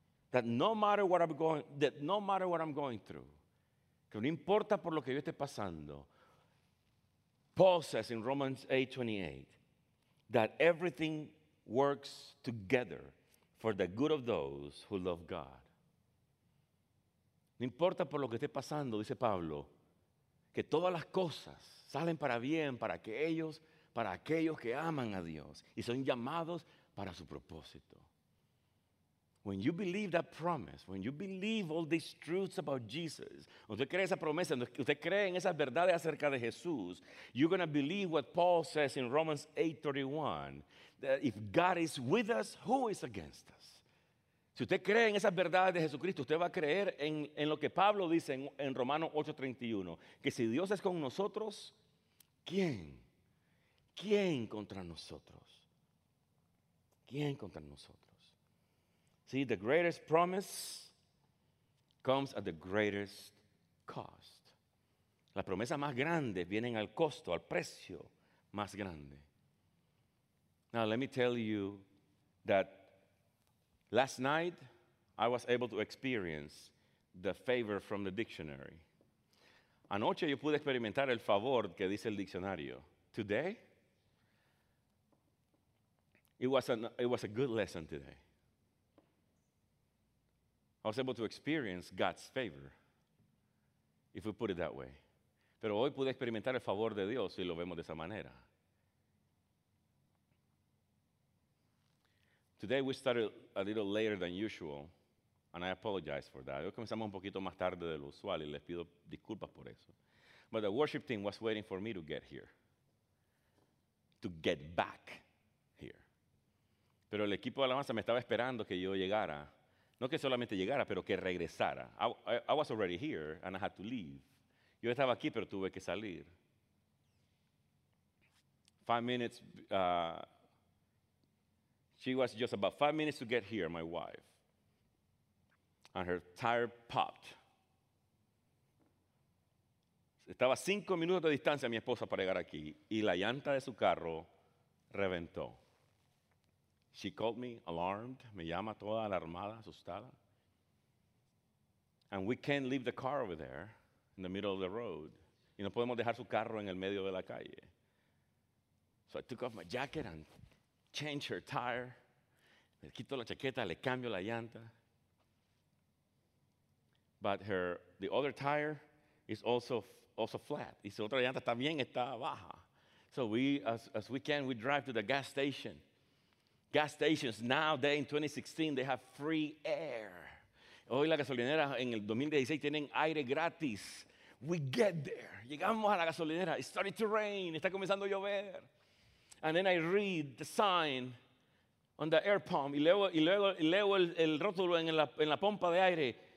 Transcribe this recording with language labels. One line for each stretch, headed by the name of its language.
English: That no matter what I'm going through,
Spanish: que no importa por lo que yo esté pasando,
English: Paul says in Romans 8:28 that everything works together for the good of those who love God.
Spanish: No importa por lo que esté pasando, dice Pablo, que todas las cosas salen para bien para aquellos que aman a Dios y son llamados para su propósito.
English: When you believe that promise, when you believe all these truths about Jesus,
Spanish: usted cree esa promesa, usted cree en esas verdades acerca de Jesús,
English: you're going to believe what Paul says in Romans 8:31, that if God is with us, who is against us?
Spanish: Si usted cree en esas verdades de Jesucristo, usted va a creer en lo que Pablo dice en Romanos 8:31, que si Dios es con nosotros, ¿quién? ¿Quién contra nosotros? ¿Quién contra nosotros?
English: See, the greatest promise comes at the greatest cost.
Spanish: La promesa más grande viene al costo, al precio más grande.
English: Now, let me tell you that last night I was able to experience the favor from the dictionary.
Spanish: Anoche yo pude experimentar el favor que dice el diccionario.
English: Today, it was a good lesson today. I was able to experience God's favor, if we put it that way.
Spanish: Pero hoy pude experimentar el favor de Dios si lo vemos de esa manera.
English: Today we started a little later than usual, and I apologize for that.
Spanish: Hoy comenzamos un poquito más tarde de lo usual y les pido disculpas por eso.
English: But the worship team was waiting for me to get here, to get back here.
Spanish: Pero el equipo de alabanza me estaba esperando que yo llegara. No que solamente llegara, pero que regresara.
English: I was already here, and I had to leave.
Spanish: Yo estaba aquí, pero tuve que salir.
English: 5 minutes, she was just about 5 minutes to get here, my wife. and her tire popped.
Spanish: Estaba 5 minutos de distancia mi esposa para llegar aquí y la llanta de su carro reventó.
English: She called me alarmed,
Spanish: me llama toda alarmada, asustada.
English: And we can't leave the car over there in the middle of the road.
Spanish: Y no podemos dejar su carro en el medio de la calle.
English: So I took off my jacket and changed her tire.
Spanish: Le quito la chaqueta, le cambio la llanta.
English: But the other tire is also flat.
Spanish: Y su otra llanta también está baja.
English: So we, as we can, we drive to the gas station. Gas stations, nowadays in 2016, they have free air.
Spanish: Hoy la gasolinera en el 2016 tienen aire gratis.
English: We get there.
Spanish: Llegamos a la gasolinera.
English: It started to rain.
Spanish: Está comenzando a llover.
English: And then I read the sign on the air pump.
Spanish: Y luego el rótulo en la pompa de aire.